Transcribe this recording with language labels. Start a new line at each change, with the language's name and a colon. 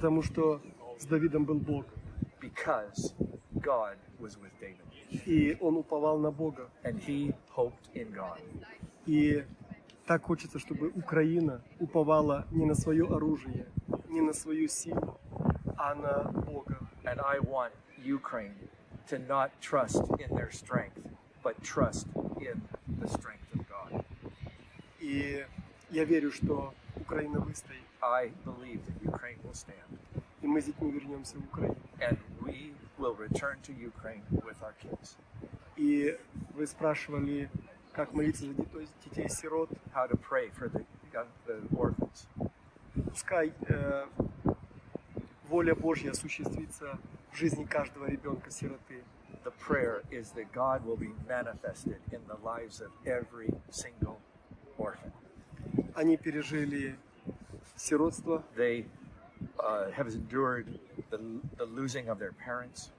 Ukrainian: Тому що з Давидом був Бог.
English: Because God was with David.
Ukrainian: І він уповав на Бога.
English: And he hoped in God.
Ukrainian: І так хочеться, щоб Україна уповала не на своє оружие, не на свою силу, а на Бога.
English: And I want Ukraine to not trust in their strength, but trust in the strength of God.
Ukrainian: І я вірю, що Україна вистоїть.
English: I believe that Ukraine will stand.
Ukrainian: І ми з дітьми вернемося в Україну.
English: And we will return to Ukraine with our kids.
Ukrainian: І ви спрашували, як молитися за дітей-сирот.
English: How to pray for the orphans.
Russian: Пускай воля Божья осуществиться в жизни каждого ребенка сироты.
English: The prayer is that God will be manifested in the lives of every single orphan.
Russian: Они пережили сиротство.
English: They have endured the losing of their parents.